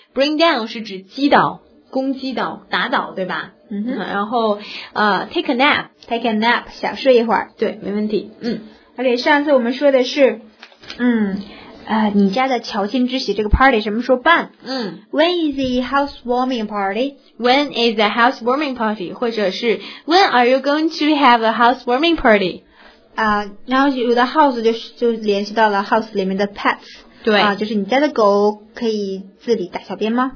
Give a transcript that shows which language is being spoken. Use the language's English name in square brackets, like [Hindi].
[Chinese] Bring down 是指击倒、攻击倒、打倒，对吧？嗯哼。然后 [English] take a nap, take a nap, [Chinese] 小睡一会儿。对，没问题。而且上次我们说的是，你家的乔迁之喜这个 party 什么时候办？ [English] When is the housewarming party? When is the housewarming party? [Chinese] 或者是 [English] When are you going to have a housewarming party? [Chinese] 然后有的 house 就联系到了 house 里面的 pets。对。就是你家的狗可以自理大小便吗？